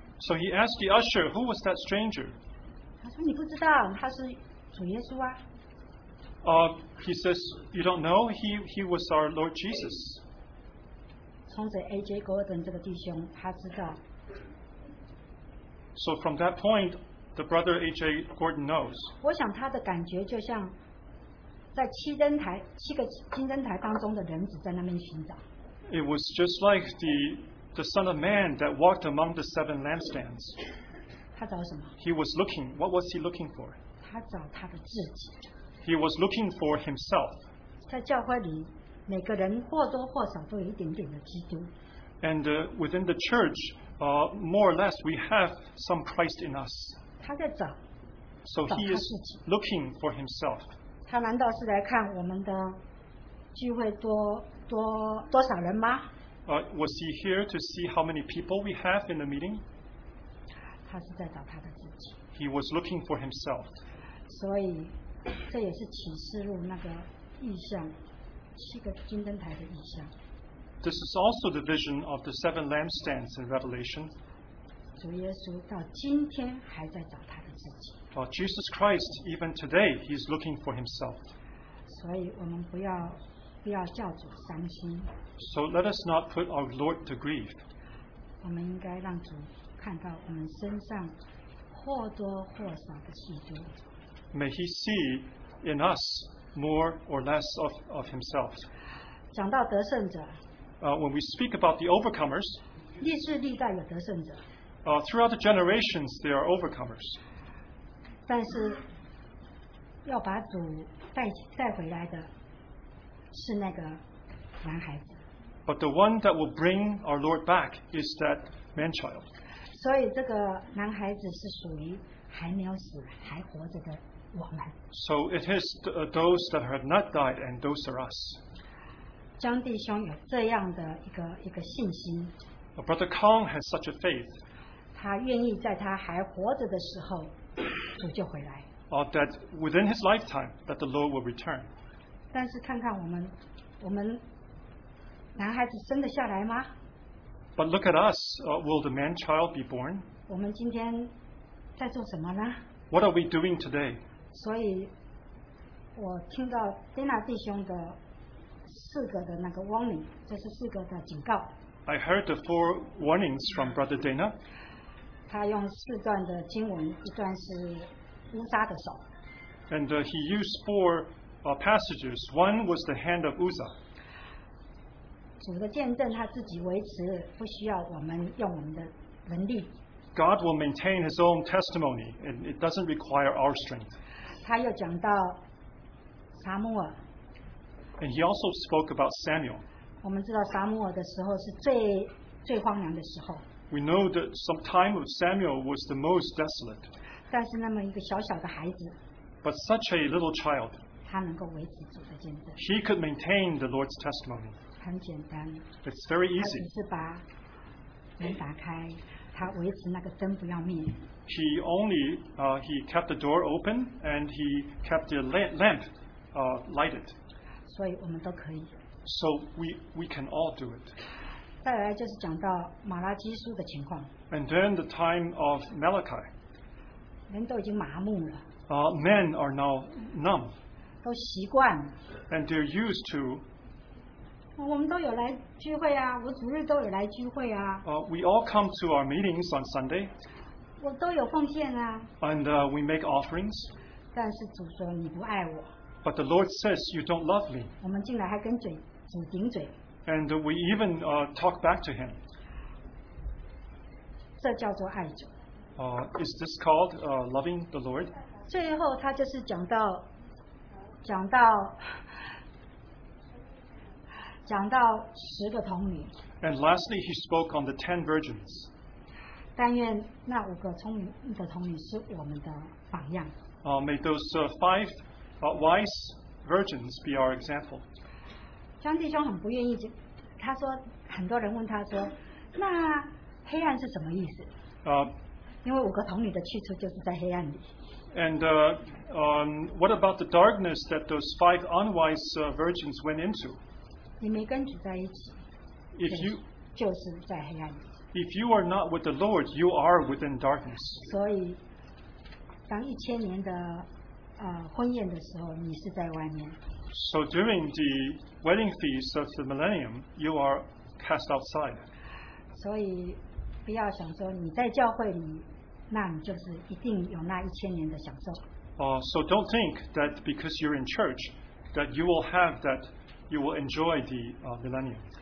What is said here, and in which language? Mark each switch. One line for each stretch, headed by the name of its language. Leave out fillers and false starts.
English: So he asked the usher, who was that stranger?
Chinese: 他说你不知道，他是主耶稣啊。
English: He says, you don't know, he was our Lord Jesus.
Chinese: 从此 A.J. Gordon 这个弟兄他知道。
English: So from that point, the brother A.J. Gordon knows.
Chinese: 我想他的感觉就像在七个金灯台当中的人子在那边寻找。
English: It was just like the Son of Man that walked among the seven lampstands.
Chinese: 他找什么？
English: He was looking, what was he looking for?
Chinese: 他找他的自己。
English: He was looking for himself.
Chinese: 在教会里，每个人或多或少都有一点点的基督。
English: And within the church, more or less, we have some Christ in us.
Chinese: 他在找。
English: So he is looking for himself.
Chinese: 他难道是来看我们的聚会多少人吗？
English: Was he here to see how many people we have in the meeting?
Chinese: 他是在找他的自己。
English: He was looking for himself.
Chinese: 所以。这也是启示录那个意象，七个金灯台的意象。
English: This is also the vision of the seven lampstands in Revelation.
Chinese: 主耶稣到今天还在找他的自己。
English: Jesus Christ, even today, he is looking for himself.
Chinese: 所以我们不要叫主伤心。
English: So let us not put our Lord to grief.
Chinese: 我们应该让主看到我们身上或多或少的基督。
English: May he see in us more or less of himself.
Chinese: 讲到得胜者。
English: When we speak about the overcomers,
Chinese: 历世历代有得胜者。
English: Throughout the generations, there are overcomers.
Chinese: 但是要把主带回来的是那个男孩子。
English: But the one that will bring our Lord back is that man-child.
Chinese: 所以这个男孩子是属于还没有死还活着的我们。
English: So it is those that have not died and those are us.
Chinese: 江弟兄有这样的一个信心。
English: Brother Kong has such a faith.
Chinese: 他愿意在他还活着的时候主就回来。
English: That within his lifetime that the Lord will return.
Chinese: 但是看看我们男孩子生得下来吗?
English: But look at us. Will the man child be born?
Chinese: 我们今天在做什么呢?
English: What are we doing today?
Chinese: 所以我听到 Dana 弟兄的四个的那个 warning, 这是四个的警告。
English: I heard the four warnings from Brother Dana.
Chinese: 他用四段的经文,一段是乌撒的手。
English: And he used four passages. One was the hand of Uzzah.
Chinese: 主的见证他自己维持不需要我们用我们的能力
English: God will maintain his own testimony and it doesn't require our strength
Chinese: 他又讲到撒母耳
English: And he also spoke about Samuel
Chinese: 我们知道撒母耳的时候是最荒凉的时候
English: We know that some time of Samuel was the most desolate
Chinese: 但是那么一个小小的孩子
English: But such a little child
Chinese: 他能够维持主的见证
English: He could maintain the Lord's testimony
Chinese: 很简单
English: It's very easy.
Chinese: 他只是把门打开，他维持那个灯不要灭。
English: He only he kept the door open and he kept the lamp lighted.
Chinese: 所以我们都可以。
English: So we can all do it.
Chinese: 再来就是讲到马拉基书的情况。
English: And then the time of Malachi.
Chinese: 人都已经麻木了。
English: Men are now numb.
Chinese: 都习惯。
English: And they're used to.
Chinese: 我们都有来聚会啊，我主日都有来聚会啊。
English: We all come to our meetings on Sunday.
Chinese: 我都有奉献啊。
English: And we make offerings.
Chinese: 但是主说你不爱我。
English: But the Lord says you don't love me.
Chinese: 我们进来还跟主顶嘴。
English: And we even talk back to him.
Chinese: 这叫做爱主。
English: Is this called loving the Lord?
Chinese: 最后他就是讲到十个童女。
English: And lastly, he spoke on the 10 virgins.
Chinese: 但愿那五个聪明的童女是我们的榜样。
English: May those five wise virgins be our example.
Chinese: 江弟兄很不愿意，他说很多人问他说，那黑暗是什么意思？因为五个童女的去处就是在黑暗里。
English: And what about the darkness that those five unwise virgins went into?
Chinese: 你没跟主在一起
English: if you,
Chinese: 就是在黑暗里
English: If you are not with the Lord You are within darkness
Chinese: 所以当一千年的婚宴的时候你是在外面
English: So during the wedding feast of the millennium You are cast outside
Chinese: 所以不要想说你在教会里那你就是一定有那一千年的享受
English: So don't think that because you're in church That you will have thatYou will enjoy the millennium.